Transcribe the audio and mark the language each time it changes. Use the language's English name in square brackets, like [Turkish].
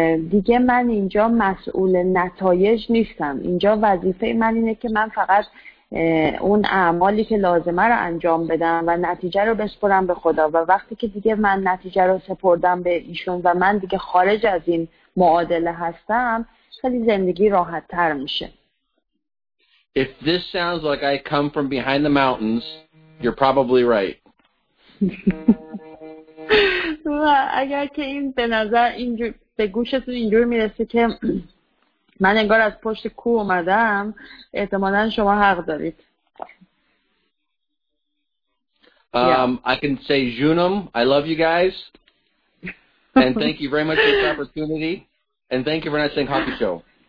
[Persian] دیگه من اینجا مسئول نتایج نیستم اینجا وظیفه من اینه که من فقط اون اعمالی که لازمه رو انجام بدم و نتیجه رو بسپرم به خدا و وقتی که دیگه من نتیجه رو سپردم به ایشون و من دیگه خارج از این معادله هستم خیلی زندگی راحت تر میشه. [English] If this sounds like I come from behind the mountains, you're probably right. [Persian] و اگر که این به نظر اینجور به گوشتون اینجور میرسه که من انگار از پشت کوه اومدم احتمالاً شما حق دارید. [English] I can say Junum, I love you guys. And thank you very much for this opportunity. And thank you for not saying hockey show.